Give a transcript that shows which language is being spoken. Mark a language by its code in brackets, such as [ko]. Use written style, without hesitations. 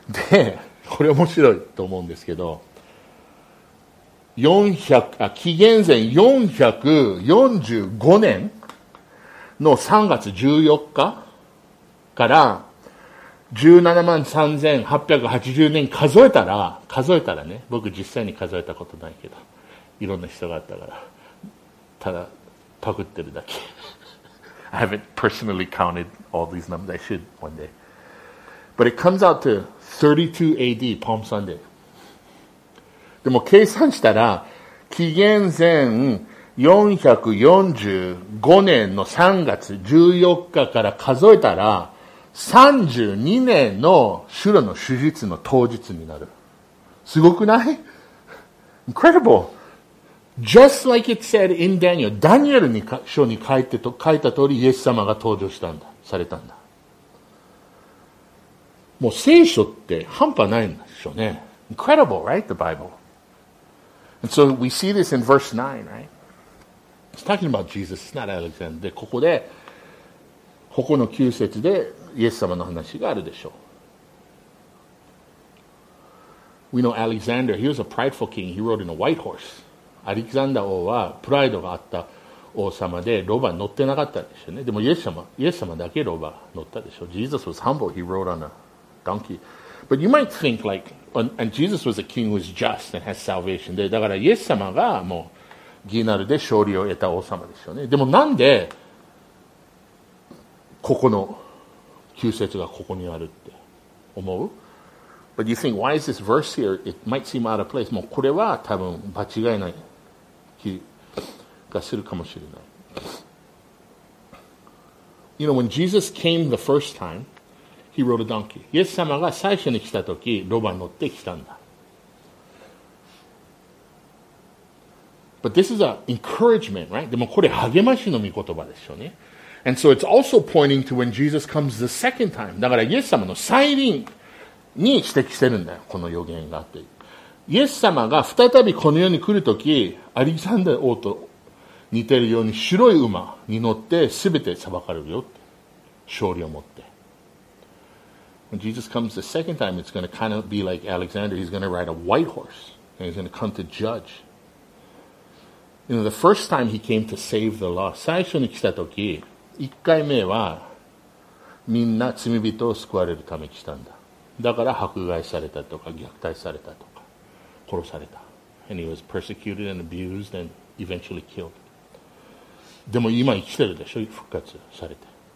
[ja] でこれ面白いと思うんですけど、紀元前445年の3月14日から173,880年数えたらね、僕実際に数えたことないけど、いろんな人があったからただパクってるだけ。 [en] I haven't personally counted all these numbers. I should one day. But it comes out to 32 AD, Palm Sunday. [ja] でも計算したら紀元前445年の3月14日から数えたら32年のシュラの手術の当日になる。すごくない？ [en] Incredible! Just like it said in Daniel. [ja] ダニエル書に書いた通りイエス様が登場したんだ、されたんだ。もう聖書って半端ないんでしょうね。 [en] Incredible, right? The Bible. And so we see this in verse 9, right? It's talking about Jesus, not Alexander. [ja] で、ここで、ここの9節で、イエス様の話があるでしょう。 [en] We know Alexander, he was a prideful king. He rode in a white horse. [ja] アレクサンダー王は、プライドがあった王様で、ロバ乗ってなかったでしょうね。でもイエス様だけロバ乗ったでしょう。 [en] Jesus was humble. He rode on a donkey. But you might think like, and Jesus was a king who was just and has salvation. [ja] で、だからイエス様がもう、ギナルで勝利を得た王様ですよね。でもなんでここの旧説がここにあるって思う？ [en] But you think why is this verse here? It might seem out of place. [ja] もうこれは多分間違いない気がするかもしれない。 [en] You know when Jesus came the first time, he rode a donkey. [ja] イエス様が最初に来た時、ロバに乗って来たんだ。 [en] But this is an encouragement, right? [ja] でもこれ励ましの御言葉ですよね。 [en] And so it's also pointing to when Jesus comes the second time. [ja] だからイエス様の再臨に指摘してるんだよ、この予言があって。イエス様が再びこの世に来るとき、アレクサンダー王と似てるように白い馬に乗って全て裁かれるよって。勝利を持って。 [en] When Jesus comes the second time, it's going to kind of be like Alexander. He's going to ride a white horse. And he's going to come to judge. You know, the first time he came to save the lost. [ja] 最初に来たとき、一回目は、みんな罪人を救われるために来たんだ。だから迫害されたとか、虐待されたとか、殺された。 [en] And he was persecuted and abused and eventually killed. [ja] でも今生きてるでしょ、復活されて。